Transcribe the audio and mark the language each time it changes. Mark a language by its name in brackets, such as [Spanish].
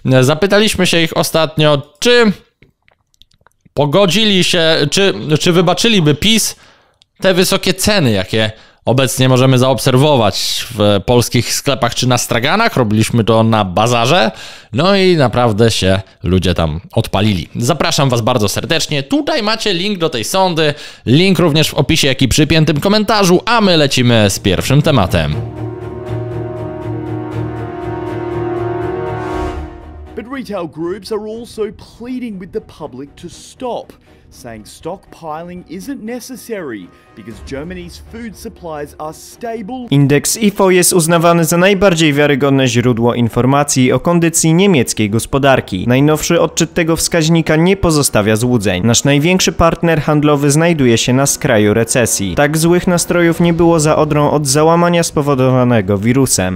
[Polish] Zapytaliśmy się ich ostatnio, czy pogodzili się, czy wybaczyliby PiS te wysokie ceny, jakie obecnie możemy zaobserwować w polskich sklepach czy na straganach. Robiliśmy to na bazarze. No i naprawdę się ludzie tam odpalili. Zapraszam Was bardzo serdecznie. Tutaj macie link do tej sondy. Link również w opisie, jak i przypiętym komentarzu. A my lecimy z pierwszym tematem. [English] But retail groups are also pleading with the public to stop, saying stockpiling isn't necessary because Germany's food supplies are stable. [Polish] Indeks IFO jest uznawany za najbardziej wiarygodne źródło informacji o kondycji niemieckiej gospodarki. Najnowszy odczyt tego wskaźnika nie pozostawia złudzeń. Nasz największy partner handlowy znajduje się na skraju recesji. Tak złych nastrojów nie było za Odrą od załamania spowodowanego wirusem.